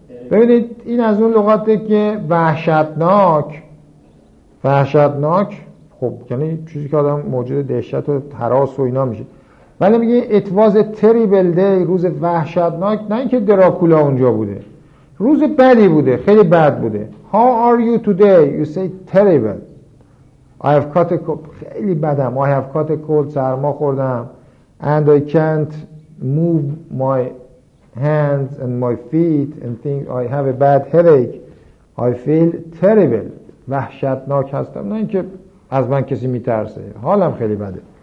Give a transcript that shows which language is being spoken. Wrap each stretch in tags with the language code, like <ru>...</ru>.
<fa>ببینید، این از اون لغاته که وحشتناک. خب یعنی چیزی که آدم موجود دهشت و تراس و اینا میشه، ولی میگه</fa> <en>it was a terrible day،</en> <fa>روز وحشتناک، نه اینکه دراکولا اونجا بوده، روز بدی بوده، خیلی بد بوده.</fa> <en>How are you today؟ You say terrible. I have caught a cold.</en> <fa>خیلی بدم.</fa> <en>I have caught a cold.</en> <fa>سرما خوردم.</fa> <en>And I can't move my hands and my feet and think I have a bad headache. I feel terrible.</en> <fa>وحشتناک هستم، نه اینکه از من کسی میترسه، حالم خیلی بده.</fa>